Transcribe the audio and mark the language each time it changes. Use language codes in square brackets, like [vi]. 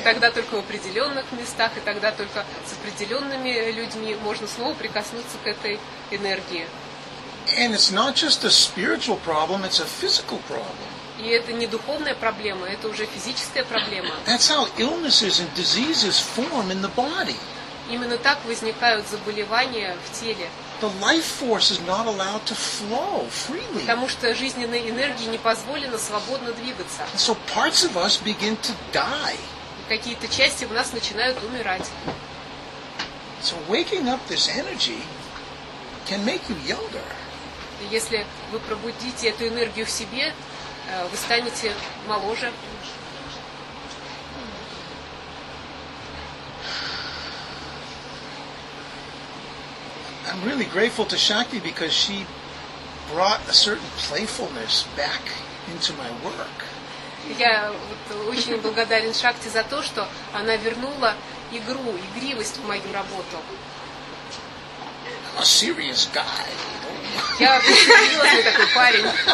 [ru] И тогда только в определенных местах, и тогда только с определенными людьми можно снова прикоснуться к этой энергии. [en] And it's not just a spiritual problem, it's a physical problem. [ru] И это не духовная проблема, это уже физическая проблема. [en] That's how illnesses and diseases form in the body. [ru] Именно так возникают заболевания в теле. [en] The life force is not allowed to flow freely. [ru] Потому что жизненной энергии не позволено свободно двигаться. [en] And so parts of us begin to die. [ru] И какие-то части в нас начинают умирать. [en] So waking up this energy can make you younger. [ru] Если вы пробудите эту энергию в себе, вы станете моложе. [en] I'm really grateful to Shakti because she brought a certain playfulness back into my work. [ru] Я очень благодарен Шакти за то, что она вернула игру, игривость в мою работу. [en] A serious guy. [ru] Я серьезный такой парень.